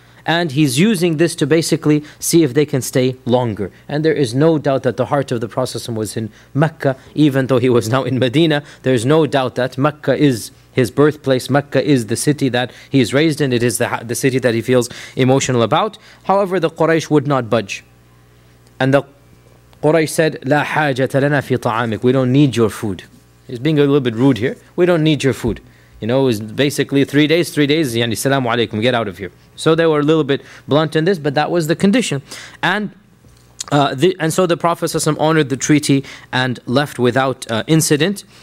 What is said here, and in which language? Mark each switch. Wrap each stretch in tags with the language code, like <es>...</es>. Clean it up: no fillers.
<en>And he's using this to basically see if they can stay longer. And there is no doubt that the heart of the Prophet was in Mecca, even though he was now in Medina. There is no doubt that Mecca is his birthplace. Mecca is the city that he is raised in. It is the city that he feels emotional about. However, the Quraysh would not budge. And the Quraysh said,</en> <ar>لا حاجة لنا في طعامك.</ar> <en>We don't need your food. He's being a little bit rude here. We don't need your food. You know, it was basically 3 days, 3 days, yani salamu alaykum, get out of here. So they were a little bit blunt in this, but that was the condition. And so the Prophet ﷺ honored the treaty and left without incident.</en>